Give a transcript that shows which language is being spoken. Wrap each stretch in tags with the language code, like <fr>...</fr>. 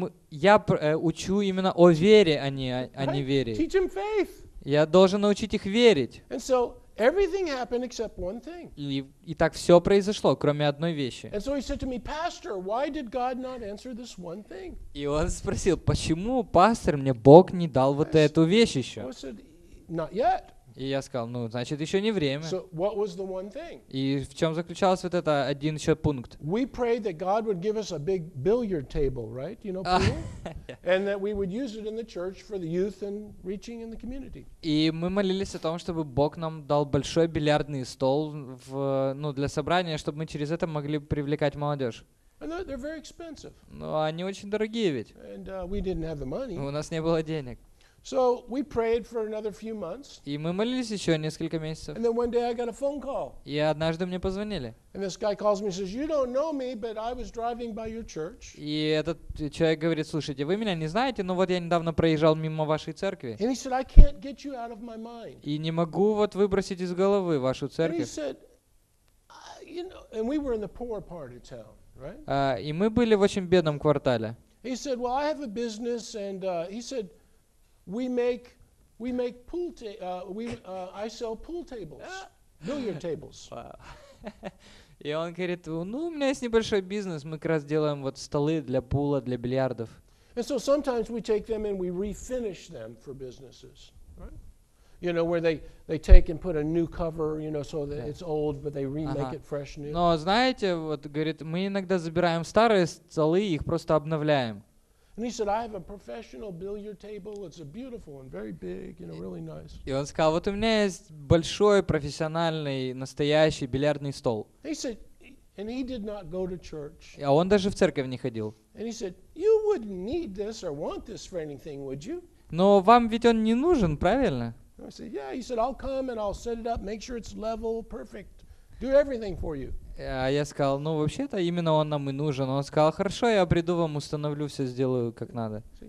<ru>Я учу именно о вере, а не вере.</ru> <en>Teach them faith.</en> <ru>Я должен научить их верить.</ru> <en>And so everything happened except one thing.</en> <ru>И так все произошло, кроме одной вещи.</ru> <en>And so he said to me, Pastor, why did God not answer this one thing?</en> <ru>И он спросил, почему, пастор, мне Бог не дал вот эту вещь еще?</ru> <en>I said, not yet.</en> <ru>И я сказал, ну, значит, еще не время.</ru> <en>So what was the one thing?</en> <ru>И в чем заключался вот этот один еще пункт?</ru> <en>We prayed that God would give us a big billiard table, right? You know, pool? And that we would use it in the church for the youth and reaching in the community.</en> <ru>И мы молились о том, чтобы Бог нам дал большой бильярдный стол для собрания, чтобы мы через это могли привлекать молодежь.</ru> <en>And they're very expensive.</en> <ru>Но они очень дорогие ведь.</ru> <en>And we didn't have the money.</en> <ru>У нас не было денег.</ru> <en>So we prayed for another few months.</en> <ru>И мы молились еще несколько месяцев.</ru> <en>And then one day I got a phone call.</en> <ru>И однажды мне позвонили.</ru> <en>And this guy calls me and says, "You don't know me, but I was driving by your church."</en> <ru>И этот человек говорит: "Слушайте, вы меня не знаете, но вот я недавно проезжал мимо вашей церкви."</ru> <en>And he said, "I can't get you out of my mind."</en> <ru>И не могу вот выбросить из головы вашу церковь.</ru> <en>And he said, "You know," and we were in the poor part of town, right?</en> <ru>И мы были в очень бедном квартале.</ru> <en>He said, "Well, I have a business," and he said. We make pool I sell pool tables, billiard tables.</en> <ru>И он говорит, ну у меня есть небольшой бизнес, мы как раз делаем вот столы для пула, для бильярдов.</ru> <en>And so sometimes we take them and we refinish them for businesses, right? You know where they take and put a new cover, you know, so that it's old, but they remake it fresh new.</en> <ru>Но знаете, вот говорит, мы иногда забираем старые столы и их просто обновляем.</ru> <en>And he said, "I have a professional billiard table. It's a beautiful and very big, you know, really nice."</en> <ru>И он сказал, вот у меня есть большой профессиональный настоящий бильярдный стол.</ru> <en>He said, and he did not go to church.</en> <ru>А он даже в церковь не ходил.</ru> <en>And he said, "You wouldn't need this or want this for anything, would you?"</en> <ru>Но вам ведь он не нужен, правильно?</ru> <en>I said, "Yeah." He said, "I'll come and I'll set it up, make sure it's level, perfect, do everything for you."</en> <ru>Я сказал, ну вообще-то именно он нам и нужен. Он сказал, хорошо, я приду вам, установлю все, сделаю как надо.</ru>